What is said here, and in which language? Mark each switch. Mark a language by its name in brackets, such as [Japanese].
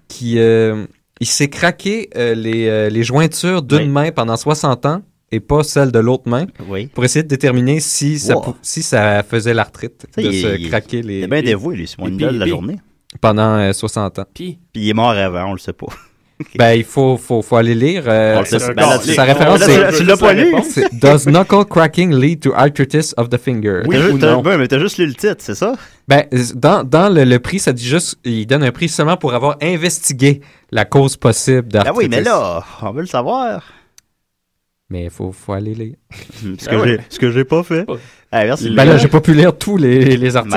[French] Qui il s'est craqué les jointures d'une main pendant 60 ans et pas celle de l'autre main pour essayer de déterminer si ça faisait l'arthrite craquer les. Il est bien dévoué, lui, c'est mon idole la journée. Pendant 60 ans. Puis il est mort avant, on le sait pas. Okay. Ben, il faut aller lire. Sa référence, c'est... Tu l'as pas lu? [English] Does knuckle cracking lead to arthritis of the finger? [French] Oui, mais t'as juste lu le titre, c'est ça? Ben, dans le prix, ça dit juste... Il donne un prix seulement pour avoir investigué la cause possible d'arthritis. Ben oui, mais là, on veut le savoir. Mais il faut aller lire. ce que j'ai pas fait. Ouais, merci. Ben là, j'ai pas pu lire tous les articles.